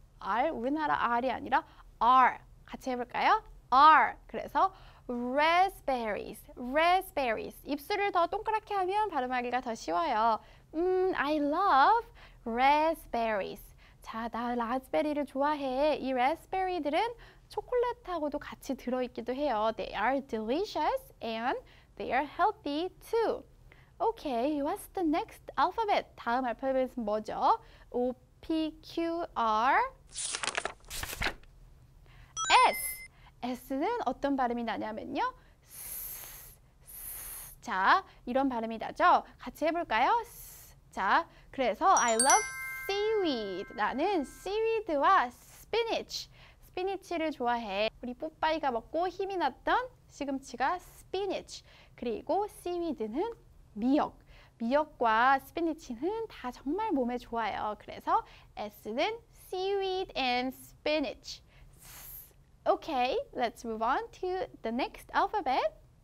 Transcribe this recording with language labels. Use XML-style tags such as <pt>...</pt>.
<ko>R, 우리나라 R이 아니라 R. 같이 해볼까요? R. 그래서 raspberries, raspberries. 입술을 더 동그랗게 하면 발음하기가 더 쉬워요.</ko> <en>I love raspberries.</en> <ko>자, 나 라즈베리를 좋아해. 이 raspberry들은 초콜릿하고도 같이 들어있기도 해요.</ko> <en>They are delicious and they are healthy too. Okay, what's the next alphabet?</en> <ko>다음 알파벳은 뭐죠?</ko> <en>O, P, Q, R, S.</en> <ko>S는 어떤 발음이 나냐면요. S, S. 자, 이런 발음이 나죠? 같이 해볼까요? S. 자, 그래서</ko> <en>I love seaweed.</en> <ko>나는 seaweed와 spinach. Spinach를 좋아해. 우리 뽀빠이가 먹고 힘이 났던 시금치가 spinach. 그리고 seaweed는 미역. 미역과 스피니치는 다 정말 몸에 좋아요. 그래서 S는 seaweed and spinach.</ko> <en>Okay, let's move on to the next alphabet.</en>